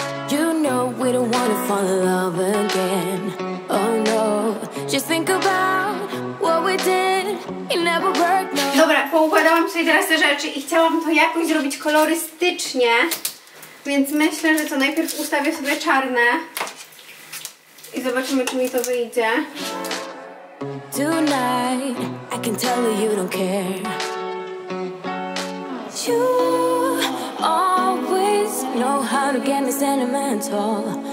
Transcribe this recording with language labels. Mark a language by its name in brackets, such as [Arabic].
[English] You know we don't wanna fall in love again. Oh no, just think about what we did. It never worked, no. [Polish] Dobra, poukładałam sobie teraz te rzeczy i chciałam to jakoś zrobić kolorystycznie, więc myślę, że to najpierw ustawię sobie czarne i zobaczymy, czy mi to wyjdzie. [English] Tonight I can tell you don't care. You always know how to get me sentimental.